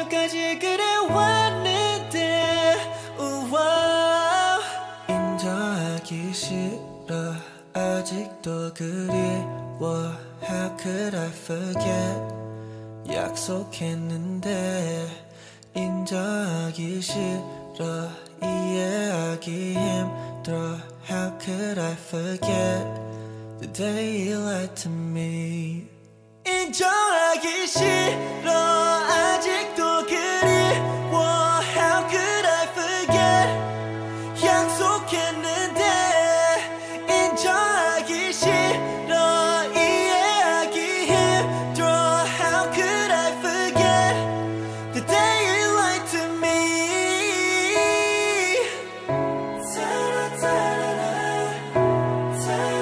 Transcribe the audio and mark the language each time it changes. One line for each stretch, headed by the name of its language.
Korean: 그래왔는데 우와 인정하기 싫어 또 그리워.
English: How could I forget?
Korean: 약속했는데 인정하기 싫어. 이해하기 힘들어.
English: How could I forget the day you lied to me?
Korean: 인정하기 싫어. 아직도 그리워.
English: How could I forget?
Korean: 약속했는데 인정하기 싫어. 이해하기 힘들어.
English: How could I forget the day you lied to me?